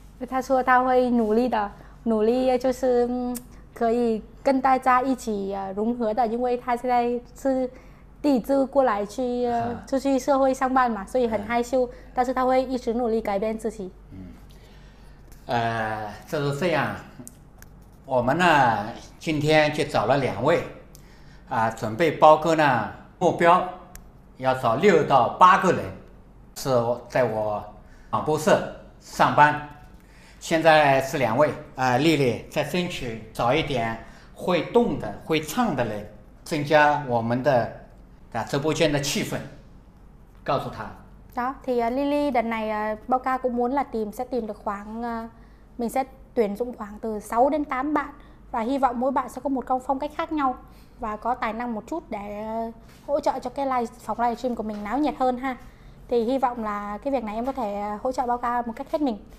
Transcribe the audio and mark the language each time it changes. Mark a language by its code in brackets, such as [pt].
[zh] Tha xua tha hơi nụ ly đờ, nụ ly cho sư cơ y cân ta cha y chỉ rúng hứa đờ nhưng quay tha xe đây sư tỷ tư qua lại chú chú chú sư hơi sang ban mà sư hẳn hai sư ta sư tha hơi y chỉ nụ ly cái bên sư chỉ. 就是这样，我们呢今天就找了2位，准备包哥呢目标要找6到8个人，是在我广播社上班，现在是2位，丽丽再争取找一点会动的、会唱的人，增加我们的直播间的气氛，告诉他。 [vi] đó thì丽丽đợt này bao ca cũng muốn là tìm sẽ tìm được khoảng mình sẽ tuyển dụng khoảng từ 6 đến 8 bạn và và hy vọng mỗi bạn sẽ có một phong cách khác nhau và có tài năng một chút để hỗ trợ cho cái phòng live stream của mình náo nhiệt hơn ha. Thì hy vọng là cái việc này em có thể hỗ trợ Bao Ca một cách hết mình.